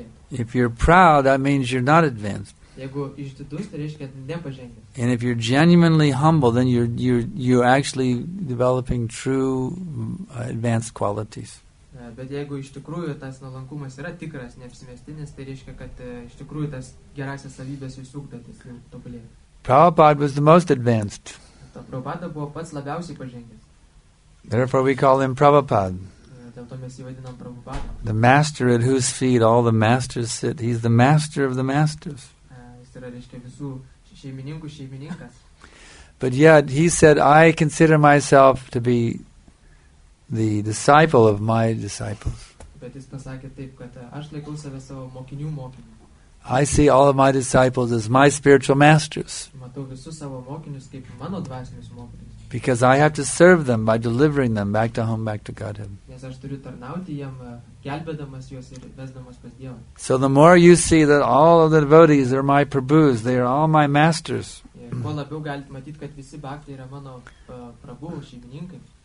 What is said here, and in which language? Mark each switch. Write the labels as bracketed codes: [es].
[en] If you're proud, that means you're not advanced. And if you're genuinely humble, then you're actually developing true advanced qualities. [lt] Bet jeigu iš tikrųjų tas nuolankumas yra tikras, neapsimestinis, tai reiškia, kad iš tikrųjų tas gerasias savybės išsukdotis ir tobulėjo. [en] Prabhupada was the most advanced. [lt] Prabhupada buvo pats labiausiai pažengęs. [en] Therefore we call him Prabhupada. [lt] Dėl to mes jį vadinam Prabhupada. [en] The master at whose feet all the masters sit. He's the master of the masters. [lt] Jis yra, reiškia, visų šeimininkų šeimininkas. [en] But yet he said, I consider myself to be the disciple of my disciples. [lt] Bet jis pasakė taip, kad aš laikau save savo mokinių mokiniu. [en] I see all of my disciples as my spiritual masters. [lt] Matau visus savo mokinius kaip mano dvasinius mokinius. [en] Because I have to serve them by delivering them back to home, back to Godhead. [lt] Nes aš turiu tarnauti jam, gelbėdamas juos ir vesdamas pas Dievą. [en] So the more you see that all of the devotees are my prabhus, they are all my masters. [lt] Kuo labiau galit matyti, kad visi bhaktai yra mano prabhu, šeimininkai.